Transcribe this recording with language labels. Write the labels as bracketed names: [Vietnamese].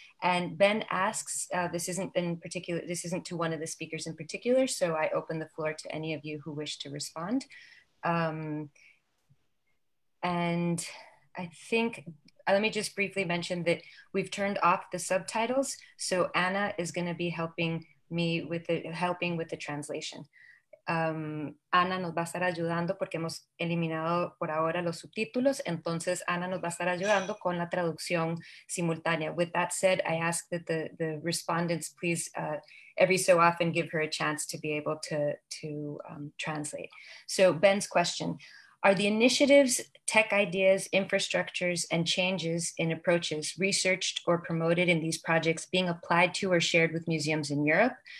[English] And Ben asks, this isn't to one of the speakers in particular, so I open the floor to any of you who wish to respond. And I think, let me just briefly mention that we've turned off the subtitles. So Anna is gonna be helping with the translation. [Spanish] Anna nos va a estar ayudando porque hemos eliminado por ahora los subtítulos. Entonces Anna nos va a estar ayudando con la traducción simultánea. [English] With that said, I ask that the respondents please every so often give her a chance to be able to translate. So Ben's question. Are the initiatives, tech ideas, infrastructures, and changes in approaches researched or promoted in these projects being applied to or shared with museums in Europe?